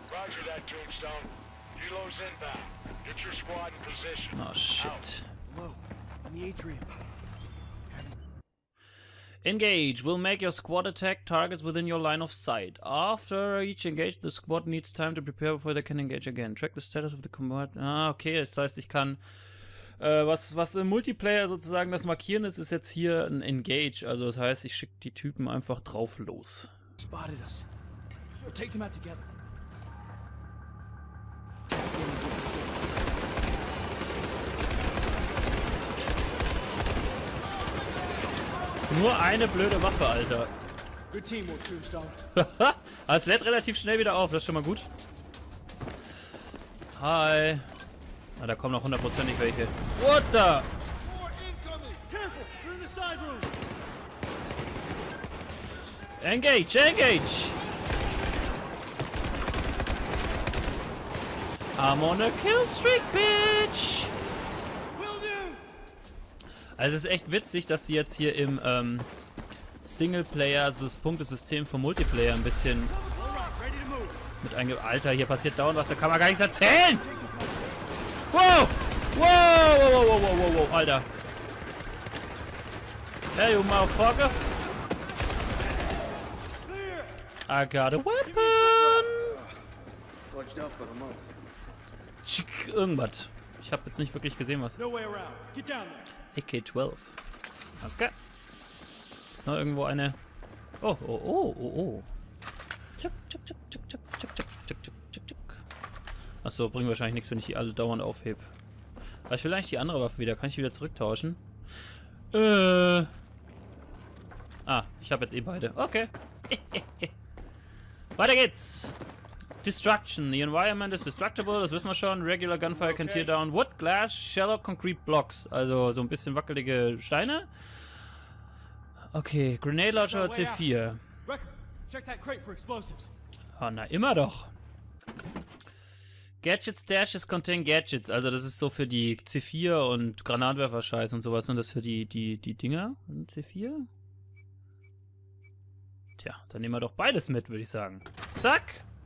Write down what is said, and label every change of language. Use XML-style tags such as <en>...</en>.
<en>Roger that, Tombstone. Helo's inbound. Get your squad in position. Oh shit. Hello. In the atrium. Engage. We'll make your squad attack targets within your line of sight. After each engage, the squad needs time to prepare before they can engage again. Track the status of the combat. Ah, okay.</en> <de>Das heißt, ich kann was im Multiplayer sozusagen das Markieren ist, ist jetzt hier ein Engage. Also das heißt, ich schicke die Typen einfach drauf los.</de> <en>Spotted us. We'll take them out together.</en> <de>Nur eine blöde Waffe, Alter.</de> <en>Good teamwork, Tombstone.</en> <de>Es lädt relativ schnell wieder auf, das ist schon mal gut. Hi. Na, da kommen noch hundertprozentig welche.</de> <en>What the? More incoming! Careful! We're in the side room! Engage! Engage! I'm on a kill streak, bitch!</en> <de>Also es ist echt witzig, dass sie jetzt hier im Singleplayer, also das Punktesystem vom Multiplayer ein bisschen mit eingebaut. Alter, hier passiert dauernd was, da kann man gar nichts erzählen! Wow! Wow, wow, wow, wow, wow, wow, Alter!</de> <en>Hey, you motherfucker! I got a weapon!</en> <de>Tschick, irgendwas. Ich hab jetzt nicht wirklich gesehen, was. AK-12. Okay. Ist noch irgendwo eine. Oh, oh, oh, oh, oh. Tschuck, tschuck, tschuck, tschuck, tschuck, tschuck, tschuck, tschuck, tschuck, tschuck. Achso, bringt wahrscheinlich nichts, wenn ich die alle dauernd aufhebe. Aber ich will eigentlich die andere Waffe wieder. Kann ich die wieder zurücktauschen? Ah, ich habe jetzt eh beide. Okay. Weiter geht's. Destruction.</de> <en>The environment is destructible.</en> <de>Das wissen wir schon.</de> <en>Regular gunfire can tear down wood, glass, shell or concrete blocks.</en> <de>Also so ein bisschen wackelige Steine.</de> <en>Okay. Grenade launcher C4. Wrecker, check that crate for explosives.</en> <de>Ah, na immer doch.</de> <en>Gadget stashes contain gadgets.</en> <de>Also das ist so für die C4 und Granatwerfer-Scheiß und sowas. Sind das für die Dinger? C4? Tja, dann nehmen wir doch beides mit, würde ich sagen. Zack!</de>